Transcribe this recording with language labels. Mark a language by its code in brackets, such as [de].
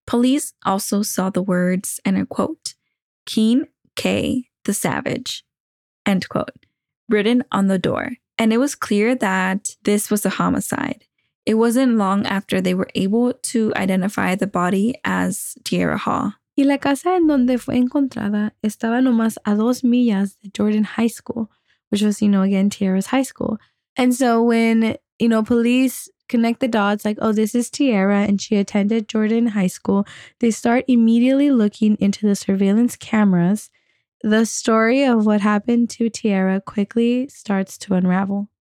[en] Police also saw the words, and I quote, Keen K. the Savage, end quote, written on the door. And it was clear that this was a homicide. It wasn't long after they were able to identify the body as Tierra Hall. [es] Y la casa en donde fue encontrada estaba nomás a 2 millas de Jordan High School, [en] which was, you know, again, Tierra's high school. And so when, you know, police connect the dots, like, oh, this is Tierra and she attended Jordan High School, they start immediately looking into the surveillance cameras. The story of what happened to Tierra quickly starts to unravel.